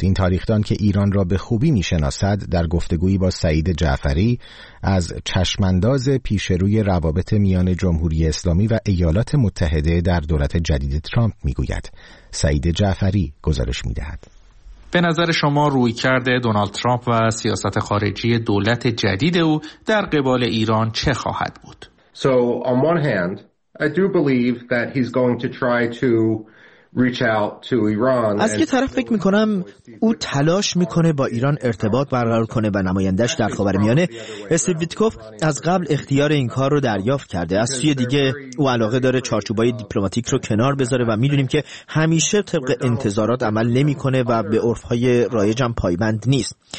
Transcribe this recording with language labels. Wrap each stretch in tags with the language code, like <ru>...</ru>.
<fa>این تاریخ‌دان که ایران را به خوبی می‌شناسد در گفتگویی با سعید جعفری از چشم‌انداز پیشروی روابط میان جمهوری اسلامی و ایالات متحده در دولت جدید ترامپ میگوید. سعید جعفری گزارش می‌دهد. به نظر شما رویکرد دونالد ترامپ و سیاست خارجی دولت جدید او در قبال ایران چه خواهد بود؟</fa> <en>So on one hand, I do believe that he's going to try to reach out to Iran.</en> <fa>از یه طرف فکر می‌کنم او تلاش می‌کنه با ایران ارتباط برقرار کنه و نمایندش در خاورمیانه اسویتکوف از قبل اختیار این کار رو دریافت کرده. از سوی دیگه او علاقه داره چارچوبای دیپلماتیک رو کنار بذاره و می‌دونیم که همیشه طبق انتظارات عمل نمی‌کنه و به عرف‌های رایجم پایبند نیست.</fa>